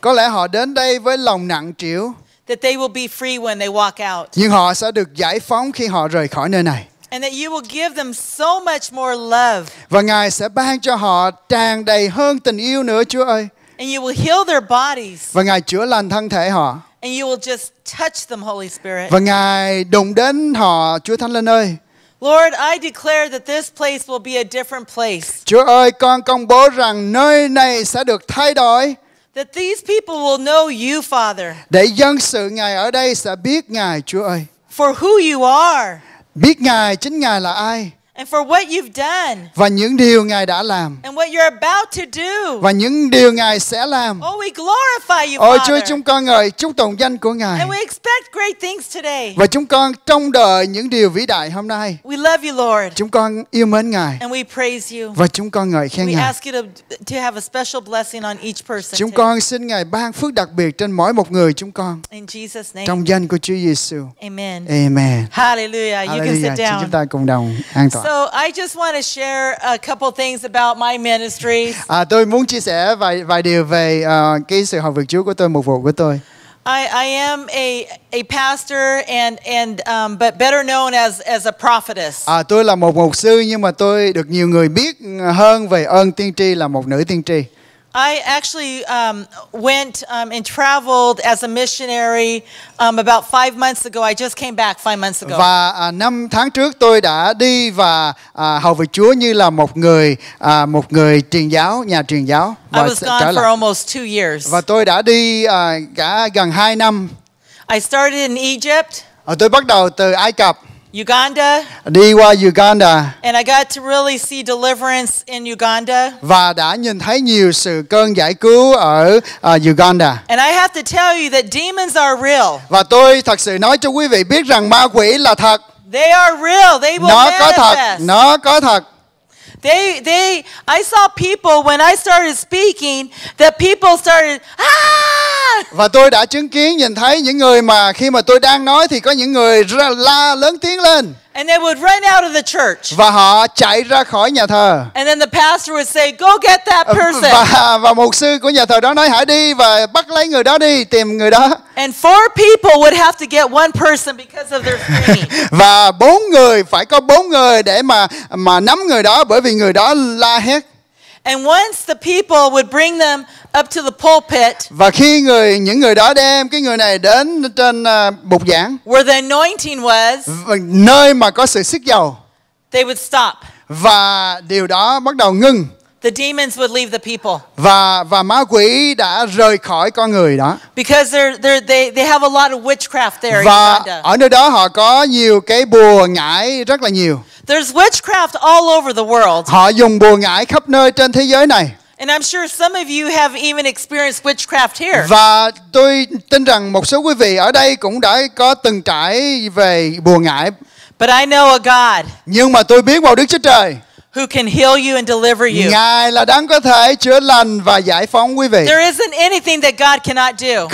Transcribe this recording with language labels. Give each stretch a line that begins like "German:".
Vietnamese: Có lẽ họ đến đây với lòng nặng trĩu.
English: That they will be free when they walk out.
Vietnamese: Nhưng họ sẽ được giải phóng khi họ rời khỏi nơi này.
English: And that you will give them so much more love.
Vietnamese: Và Ngài sẽ ban cho họ tràn đầy hơn tình yêu nữa, Chúa ơi.
English: And you will heal their bodies.
Vietnamese: Và Ngài chữa lành thân thể họ.
English: And you will just touch them, Holy Spirit.
Vietnamese: Và Ngài đụng đến họ, Chúa Thánh Linh ơi.
English: Lord, I declare that this place will be a different place.
Vietnamese: Chúa ơi, con công bố rằng nơi này sẽ được thay đổi.
English: That these people will know you, Father.
Vietnamese: Để dân sự Ngài ở đây sẽ biết Ngài, Chúa ơi.
English: For who you are.
Vietnamese: Biết Ngài, chính Ngài là ai.
English: And for what you've done.
Vietnamese: Và những điều Ngài đã làm.
English: And what you're about to do.
Vietnamese: Và những điều Ngài sẽ làm.
English: Oh, we glorify you,
Vietnamese: Father. Ôi Chúa, chúng con ngợi chúc tụng danh của Ngài.
English: And we expect great things today.
Vietnamese: Và chúng con trông đợi những điều vĩ đại hôm nay.
English: We love you, Lord.
Vietnamese: Chúng con yêu mến Ngài.
English: And we praise you.
Vietnamese: Và chúng con ngợi khen Ngài.
English: We ask you to have a special blessing on each person.
Vietnamese: Chúng con xin Ngài ban phước đặc biệt trên mỗi một người chúng con.
English: In Jesus' name.
Vietnamese: Trong danh của Chúa Giêsu.
English: Amen. Amen. Hallelujah. You can sit down.
Vietnamese: Xin chúng ta cùng đồng an toàn.
English: So I just want to share a couple things about my ministry.
Vietnamese: Tôi muốn chia sẻ vài điều về cái sự học việc Chúa của tôi, mục vụ của tôi.
English: I am a pastor and but better known as a prophetess.
Vietnamese: Tôi là một mục sư nhưng mà tôi được nhiều người biết hơn về ơn tiên tri là một nữ tiên tri.
English: I actually went and traveled as a missionary about 5 months ago. I just came back 5 months ago.
Vietnamese: Và năm tháng trước tôi đã đi và hầu việc Chúa như là một người truyền giáo, nhà truyền giáo.
English: I was gone for almost 2 years.
Vietnamese: Và tôi đã đi cả gần 2 năm.
English: I started in Egypt.
Vietnamese: Tôi bắt đầu từ Ai Cập.
English: Uganda.
Vietnamese: Đi qua Uganda.
English: And I got to really see deliverance in Uganda.
Vietnamese: Và đã nhìn thấy nhiều sự cơn giải cứu ở Uganda.
English: And I have to tell you that demons are real.
Vietnamese: Và tôi thật sự nói cho quý vị biết rằng ma quỷ là thật.
English: They are real. They will manifest.
Vietnamese: Nó có thật.
English: They I saw people when I started speaking that people started
Vietnamese: Và tôi đã chứng kiến nhìn thấy những người mà khi mà tôi đang nói thì có những người la lớn tiếng lên.
English: And they would run out of the church.
Vietnamese: Và họ chạy ra khỏi nhà thờ.
English: And then the pastor would say, "Go get that person."
Vietnamese: Và mục sư của nhà thờ đó nói hãy đi và bắt lấy người đó đi, tìm người đó.
English: And 4 people would have to get one person because of their screaming.
Vietnamese: Và 4 người phải có 4 người để mà nắm người đó bởi vì người đó la hét.
English: And once the people would bring them up to the pulpit.
Vietnamese: Và khi những người đó đem cái người này đến trên bục giảng.
English: Where the anointing was.
Vietnamese: Nơi mà có sự sức dầu.
English: They would stop.
Vietnamese: Và điều đó bắt đầu ngưng.
English: The demons would leave the people.
Vietnamese: Và ma quỷ đã rời khỏi con người đó.
English: Because they have a lot of witchcraft there.
Vietnamese: Và ở nơi đó họ có nhiều cái bùa ngải rất là nhiều.
English: There's witchcraft all over the world.
Vietnamese: Họ dùng bùa ngải khắp nơi trên thế giới này.
English: And I'm sure some of you have even experienced witchcraft here.
Vietnamese: Và tôi tin rằng một số quý vị ở đây cũng đã có từng trải về bùa ngải.
English: But I know a God.
Vietnamese: Nhưng mà tôi biết một Đức Chúa Trời.
English: who can heal you and deliver you.
Vietnamese: Ngài là đấng có thể chữa lành và giải phóng quý vị.
English: There isn't anything that God cannot do.